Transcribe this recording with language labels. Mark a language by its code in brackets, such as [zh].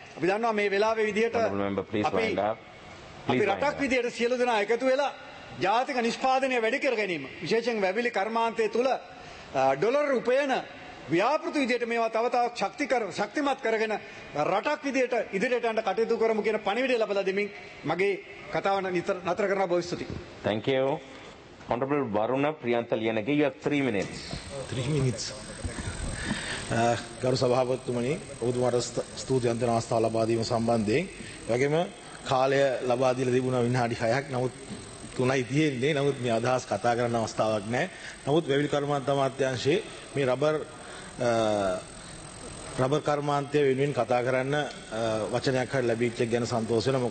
[si] අපි දන්නවා මේ වෙලාවේ විදිහට අපි රටක් විදිහට සියලු දෙනා එකතු වෙලා ජාතික නිෂ්පාදනය වැඩි කර ගැනීම විශේෂයෙන් වැවිලි කර්මාන්තය තුළ ඩොලර් රුපයන ව්‍යාපෘති විදිහට මේවා තව තවත් ශක්තිමත් කරගෙන රටක් විදිහට ඉදිරියට යන්න කටයුතු කරමු කියන පණිවිඩය ලබලා දෙමින් මගේ කතාව නතර කරන බව ස්තුති. [en] Thank you. Honorable Varuna Priyanta Liyanage, you have 3 minutes. [si] ගරු සභාපතිතුමනි, ඔබතුමාට ස්තුති වන්දනාස්ථා ලබා දීම සම්බන්ධයෙන්, එවැගේම කාලය ලබා දීලා තිබුණා විනාඩි 6ක්, නමුත් 3යි තියෙන්නේ. නමුත් මේ අදහස් කතා කරන්න අවස්ථාවක් නැහැ. නමුත් වැවිලි කර්මාන්ත අමාත්‍යාංශයේ මේ රබර් කර්මාන්තය වෙනුවෙන් කතා කරන්න වචනයක් හරි ලැබීච්ච ගැන සන්තෝෂ වෙනවා.